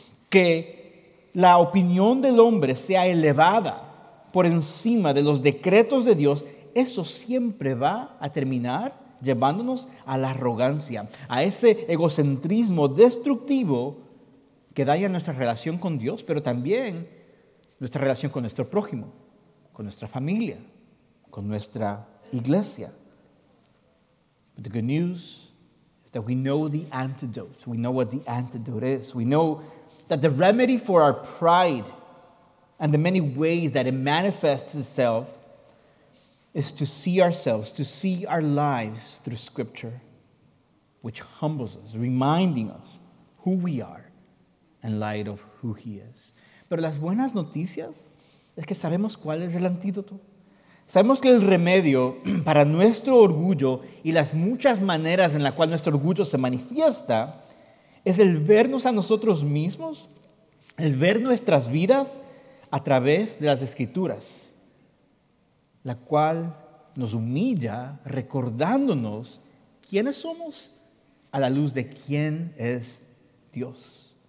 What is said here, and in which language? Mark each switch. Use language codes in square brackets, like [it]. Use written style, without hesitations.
[es] que la opinión del hombre sea elevada por encima de los decretos de Dios, eso siempre va a terminar llevándonos a la arrogancia, a ese egocentrismo destructivo que daña nuestra relación con Dios, pero también nuestra relación con nuestro prójimo, con nuestra familia, con nuestra iglesia. [en] But the good news is that we know the antidote. We know what the antidote is. We know that the remedy for our pride and the many ways that it manifests itself is to see ourselves, to see our lives through Scripture, which humbles us, reminding us who we are in light of who He is. [es] Pero las buenas noticias es que sabemos cuál es el antídoto. Sabemos que el remedio para nuestro orgullo y las muchas maneras en las cuales nuestro orgullo se manifiesta es el vernos a nosotros mismos, el ver nuestras vidas a través de las Escrituras, la cual nos humilla recordándonos quiénes somos a la luz de quién es Dios.